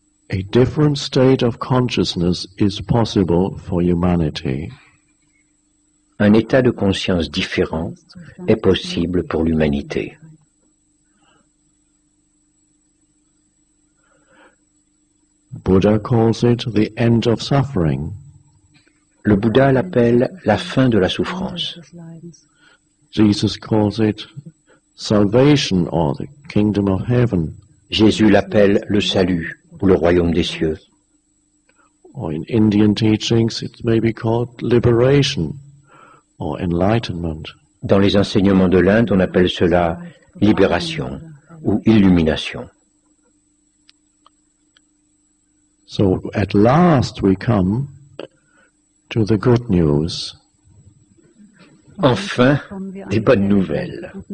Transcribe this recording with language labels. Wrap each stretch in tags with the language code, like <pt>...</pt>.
<en>A different state of consciousness is possible for humanity.</en> <fr>Un état de conscience différent est possible pour l'humanité.</fr> <en>Buddha calls it the end of suffering.</en> <fr>Le Bouddha l'appelle la fin de la souffrance.</fr> <en>Jesus calls it salvation or the kingdom of heaven.</en> <fr>Jésus l'appelle le salut ou le royaume des cieux.</fr> <en>Or in Indian teachings it may be called liberation or enlightenment.</en> <fr>Dans les enseignements de l'Inde, on appelle cela libération ou illumination.</fr> <en>So at last we come to the good news.</en> <fr>enfin des bonnes nouvelles.</fr>